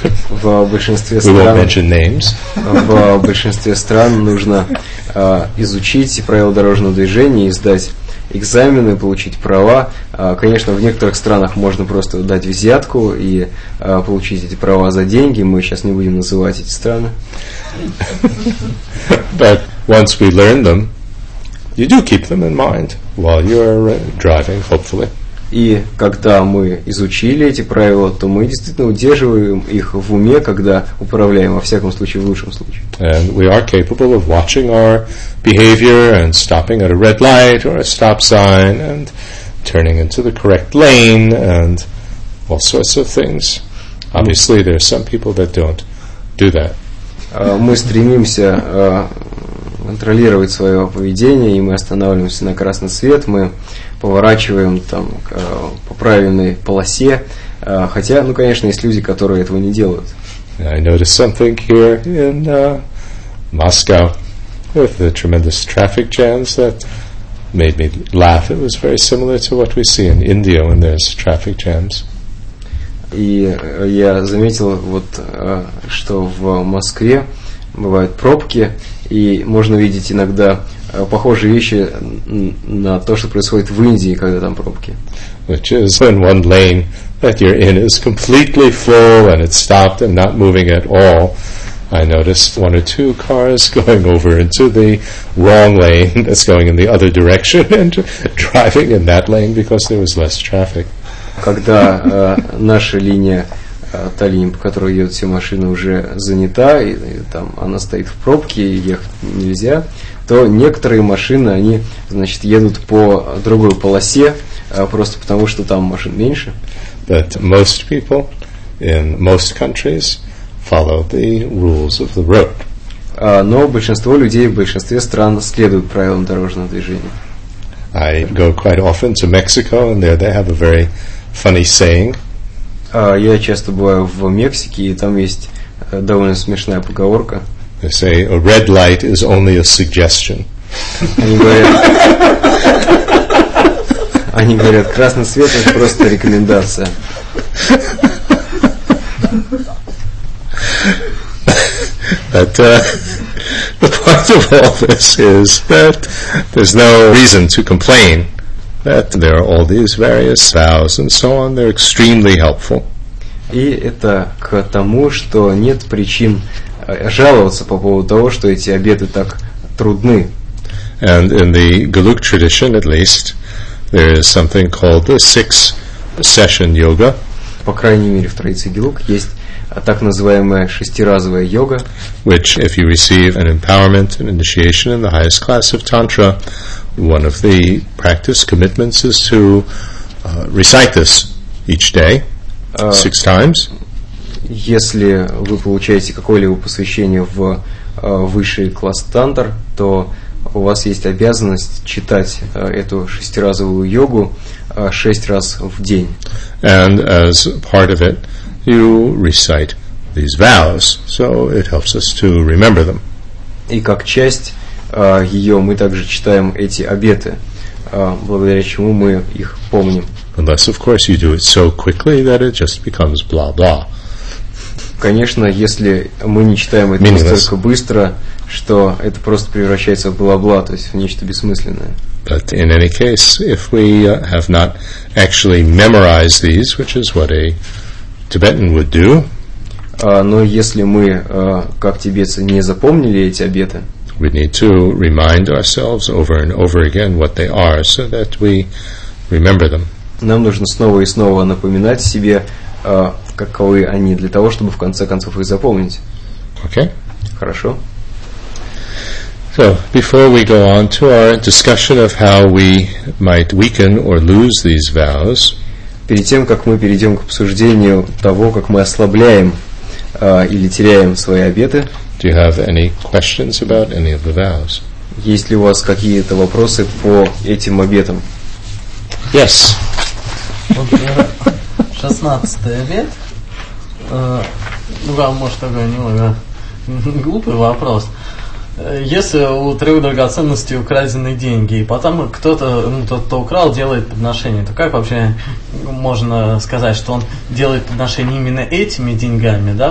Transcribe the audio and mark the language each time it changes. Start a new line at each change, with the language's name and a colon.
Russian: В большинстве
English: We
Russian: стран,
English: won't mention names.
Russian: В большинстве стран нужно изучить правила дорожного движения и сдать экзамены, получить права. Конечно, в некоторых странах можно просто дать взятку и получить эти права за деньги. Мы сейчас не будем называть эти страны.
English: But once we learn them, you do keep them in mind while you are driving, hopefully.
Russian: И когда мы изучили эти правила, то мы действительно удерживаем их в уме, когда управляем, во всяком случае, в лучшем случае.
English: And we are capable of watching our behavior and stopping at a red light or a stop sign and turning into the correct lane and all sorts of things. Obviously, there are some people that don't do that.
Russian: Мы стремимся контролировать свое поведение, и мы останавливаемся на красный свет, мы поворачиваем там по правильной полосе, хотя, ну, конечно, есть люди, которые этого не делают.
English: I noticed something here in Moscow with the tremendous traffic jams that made me laugh. It was very similar to what we see in India when there's traffic jams.
Russian: И я заметил вот, что в Москве бывают пробки, и можно видеть иногда похожие вещи на то, что происходит в Индии, когда там пробки.
English: Which is when one lane that you're in is completely full and it's stopped and not moving at all. I noticed one or two cars going over into the wrong lane that's going in the other direction and driving in that lane because there was less traffic.
Russian: Когда наша линия, та линия, по которой едут все машины, уже занята, и там она стоит в пробке, и ехать нельзя, то некоторые машины, они, значит, едут по другой полосе, просто потому, что там машин меньше.
English: But most people in most countries follow the rules of the road.
Russian: Но большинство людей в большинстве стран следуют правилам дорожного движения.
English: I go quite often to Mexico, and there they have a very funny saying.
Russian: Я часто бываю в Мексике, и там есть довольно смешная поговорка.
English: They say a red light is only a suggestion.
Russian: Они говорят, красный свет это просто рекомендация.
English: But the point of all this is that there's no reason to complain that there are all these various vows and so on. They're extremely helpful.
Russian: И это к тому, что нет причин жаловаться по поводу того, что эти обеты так трудны.
English: And in the Galuk tradition, at least, there is something called the six session yoga.
Russian: По крайней мере, в традиции Галук есть так называемая шестиразовая йога,
English: which, if you receive an empowerment and initiation in the highest class of Tantra, one of the practice commitments is to recite this each day, six times.
Russian: Если вы получаете какое-либо посвящение в высший класс Тантр, то у вас есть обязанность читать эту шестиразовую йогу шесть раз в день.
English: And as part of it, you recite these vows, so it helps us to remember them.
Russian: И как часть ее, мы также читаем эти обеты, благодаря чему мы их помним.
English: Unless, of course, you do it so quickly that it just becomes blah-blah.
Russian: Конечно, если мы не читаем это настолько быстро, что это просто превращается в бла-бла, то есть в нечто бессмысленное.
English: But in any case, if we have not actually memorized these, which is what a Tibetan would do.
Russian: Но если мы, как тибетцы, не запомнили эти обеты,
English: we need to remind ourselves over and over again what they are, so that we remember them.
Russian: Нам нужно снова и снова напоминать себе, каковы они, для того, чтобы в конце концов их запомнить.
English: Okay.
Russian: Хорошо.
English: So, before we go on to our discussion of how we might weaken or lose these vows,
Russian: перед тем, как мы перейдем к обсуждению того, как мы ослабляем или теряем свои обеты,
English: do you have any questions about any of the vows?
Russian: Есть ли у вас какие-то вопросы по этим обетам?
English: Yes.
Russian: Шестнадцатый обет. Вам, может, такой немного глупый вопрос. Если у трех драгоценностей украдены деньги, и потом кто-то, ну, тот, кто украл, делает подношение, то как вообще можно сказать, что он делает подношение именно этими деньгами, да?